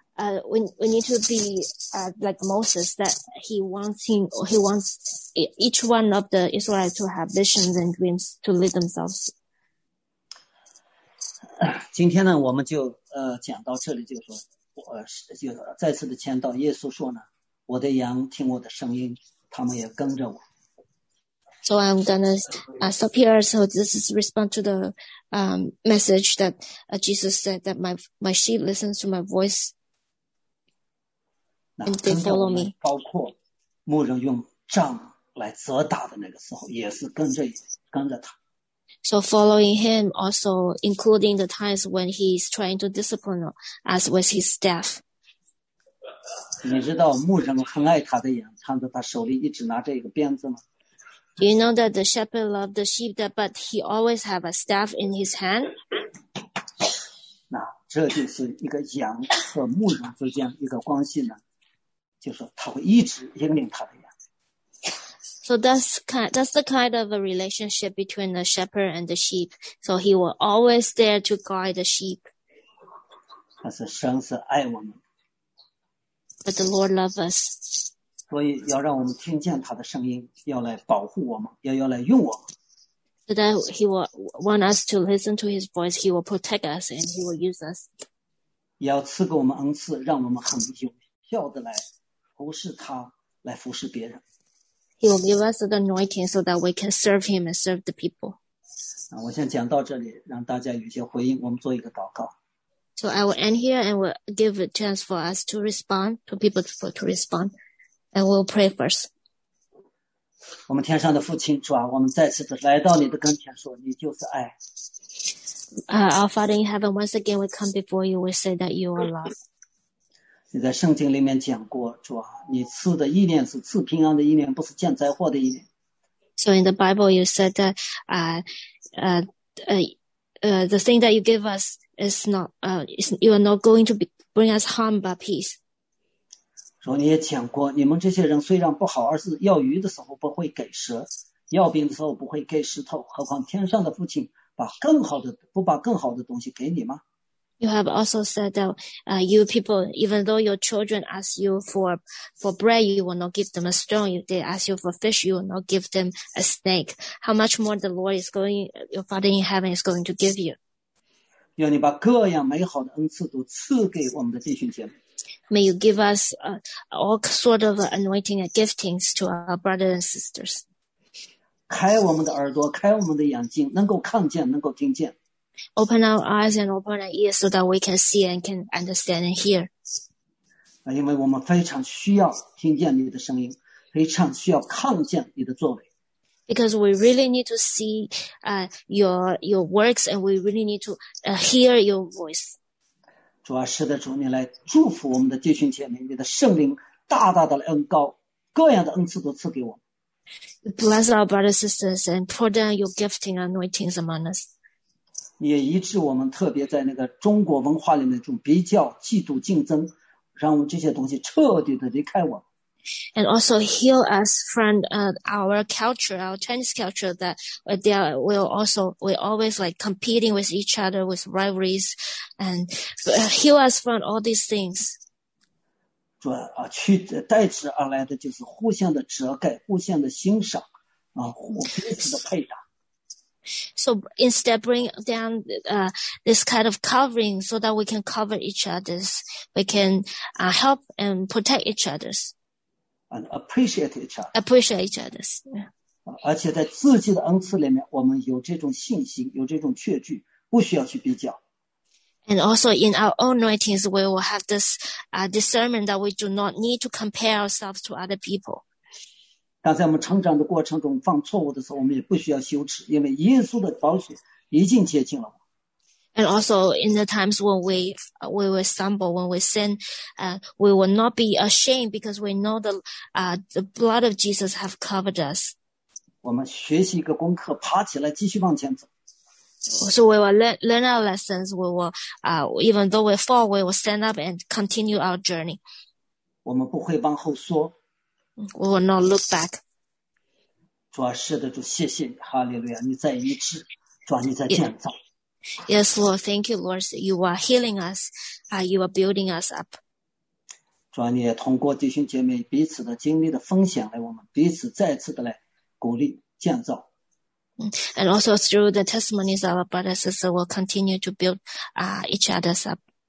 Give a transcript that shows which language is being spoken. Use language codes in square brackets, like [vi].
[en] So we need to be like Moses, that he wants each one of the Israelites to have visions and dreams to lead themselves. [zh] 今天呢，我们就讲到这里，就是说，就再次的签到。耶稣说呢，我的羊听我的声音。他们也跟着我。 [en] So I'm gonna stop here. So this is respond to the message that Jesus said that my sheep listens to my voice and they follow me. [zh] 包括牧人用杖来责打的那个时候，也是跟着他。 [en] So following him also including the times when he's trying to discipline us with his staff. [zh] 你知道牧人很爱他的羊，看着他手里一直拿着一个鞭子吗 [en] ？Do you know that the shepherd loved the sheep, but he always have a staff in his hand? [zh] 那这就是一个羊和牧人之间一个关系呢，就是他会一直引领他的羊。 [en] So that's the kind of a relationship between the shepherd and the sheep. So he will always there to guide the sheep. [zh] 但是神是爱我们。 [en] But the Lord loves us. [zh] 所以要让我们听见他的声音，要来保护我们，要来用我们。 [en] So that he will want us to listen to his voice. He will protect us and he will use us. [zh] 也要赐给我们恩赐，让我们很有效的来服侍他，来服侍别人。 [en] He will give us the anointing so that we can serve him and serve the people. [zh] 那我先讲到这里，让大家有些回应。我们做一个祷告。 [en] So I will end here and will give a chance for us to respond, for people to respond, and we'll pray first. [zh] 我们天上的父亲主啊，我们再次的来到你的跟前说，你就是爱。 [en] Our Father in heaven, once again we come before you, we say that you are love. [zh] 你在圣经里面讲过，主啊，你赐的意念是赐平安的意念，不是降灾祸的意念。 [en] So in the Bible, you said that the thing that you give us. You are not going to bring us harm, but peace. [zh] 主，你也讲过，你们这些人虽然不好，而是要鱼的时候不会给蛇，要饼的时候不会给石头，何况天上的父亲把更好的不把更好的东西给你吗？ [en] You have also said that, you people, even though your children ask you for bread, you will not give them a stone. If they ask you for fish, you will not give them a snake. How much more the Lord is going, your Father in heaven is going to give you? [zh] 愿你把各样美好的恩赐都赐给我们的弟兄姐妹。 [en] May you give us all sort of anointing and giftings to our brothers and sisters. [zh] 开我们的耳朵，开我们的眼睛，能够看见，能够听见。 [en] Open our eyes and open our ears so that we can see and can understand and hear. [zh] 因为我们非常需要听见你的声音，非常需要看见你的作为。 [en] Because we really need to see your works and we really need to hear your voice. [zh] 主啊，是的，主，你来祝福我们的弟兄姐妹，你的圣灵大大的恩膏，各样的恩赐都赐给我们。 [en] Bless our brothers and sisters and pour down your gifting and anointings among us. [zh] 也医治我们特别在那个中国文化里面这种比较、嫉妒、竞争，让我们这些东西彻底的离开我们。 [en] And also heal us from our culture, our Chinese culture, that we always like competing with each other with rivalries, and heal us from all these things. [zh] 主啊，去代之而来的就是互相的遮盖，互相的欣赏，啊，互彼此的配搭。 [en] So instead, bring down this kind of covering so that we can cover each other's, we can help and protect each other's. And appreciate each other. Appreciate each other's. [zh] 而且在自己的恩赐里面，我们有这种信心，有这种确据，不需要去比较。 [en] And also in our own anointings, we will have this discernment that we do not need to compare ourselves to other people. [zh] 但在我们成长的过程中犯错误的时候，我们也不需要羞耻，因为耶稣的宝血已经洁净了。 [en] And also in the times when we were stumble, when we sin, we will not be ashamed because we know the blood of Jesus have covered us. [zh] 我们学习一个功课，爬起来继续往前走。 [en] So we will learn our lessons. We will, even though we fall, we will stand up and continue our journey. [zh] 我们不会往后缩。 [en] We will not look back. [zh] 主啊，是的，主，谢谢你，哈利路亚，你在医治，主啊，你在建造。 [en] Yeah. Yes, Lord, thank you, Lord. You are healing us. You are building us up. [zh] 主啊，你也通过弟兄姐妹彼此的经历的分享，来我们彼此再次的来鼓励建造。 [en] And also through the testimonies of our brothers and sisters, we'll continue to build each other up.